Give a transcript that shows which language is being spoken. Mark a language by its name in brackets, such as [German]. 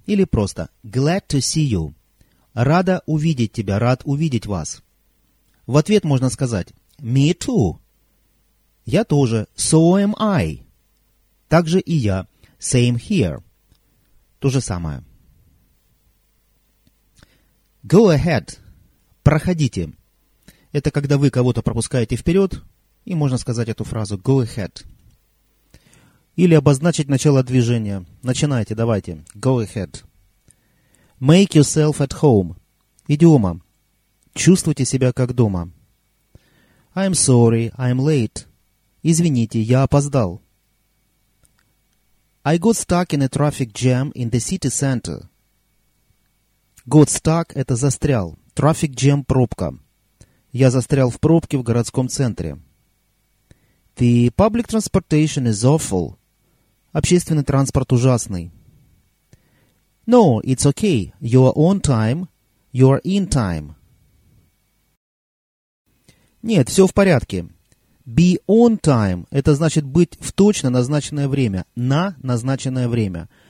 [Russian] Или просто [English] glad to see you. [Russian] Рада увидеть тебя, рад увидеть вас. В ответ можно сказать [English] me too. [Russian] Я тоже. [English] So am I. [Russian] Также и я. [English] Same here. [Russian] То же самое. [English] Go ahead. [Russian] Проходите. Это когда вы кого-то пропускаете вперед, и можно сказать эту фразу [English] go ahead. [Russian] Или обозначить начало движения. Начинайте, давайте. [English] Go ahead. Make yourself at home. [Russian] Идиома. Чувствуйте себя как дома. [English] I'm sorry, I'm late. [Russian] Извините, я опоздал. [English] I got stuck in a traffic jam in the city center. Got stuck [Russian] – это застрял. [English] Traffic jam – пробка. [Russian] Я застрял в пробке в городском центре. [English] The public transportation is awful. [Russian] Общественный транспорт ужасный. [English] No, it's okay. You are on time. You are in time. [Russian] Нет, все в порядке. [English] Be on time [Russian] – это значит быть в точно назначенное время, на назначенное время.